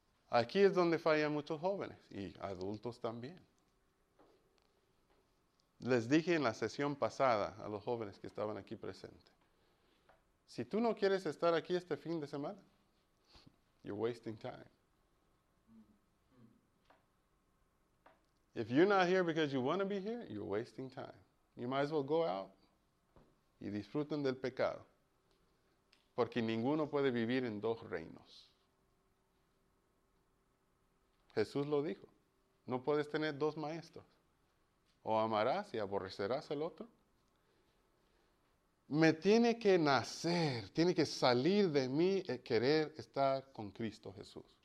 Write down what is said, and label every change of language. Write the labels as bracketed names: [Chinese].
[Spanish] Aquí es donde fallan muchos jóvenes y adultos también. Les dije en la sesión pasada a los jóvenes que estaban aquí presentes, si tú no quieres estar aquí este fin de semana, [English] you're wasting time. If you're not here because you want to be here, you're wasting time. You might as well go out [Spanish] y disfruten del pecado. Porque ninguno puede vivir en dos reinos. Jesús lo dijo. No puedes tener dos maestros. O amarás y aborrecerás al otro. Me tiene que nacer, tiene que salir de mí el querer estar con Cristo Jesús.